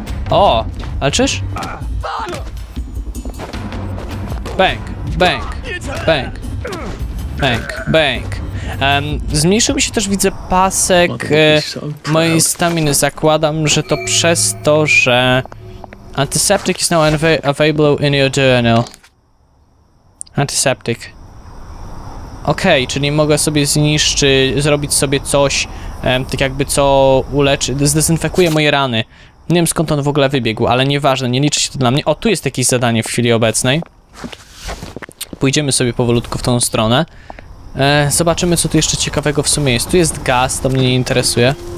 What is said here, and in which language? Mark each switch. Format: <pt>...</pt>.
<pl>O, walczysz? Bang, bang, bang, bang, bang. Zmniejszył mi się też, widzę, pasek mojej staminy. Zakładam, że to przez to, że...</pl> <en>Antiseptic is now available in your journal. Antiseptic.</en> <pl>Okej, okay, czyli mogę sobie zrobić sobie coś, tak jakby co uleczy, zdezynfekuje moje rany. Nie wiem skąd on w ogóle wybiegł, ale nieważne, nie liczy się to dla mnie. O, tu jest jakieś zadanie w chwili obecnej. Pójdziemy sobie powolutku w tą stronę. Zobaczymy, co tu jeszcze ciekawego w sumie jest. Tu jest gaz, to mnie nie interesuje.</pl>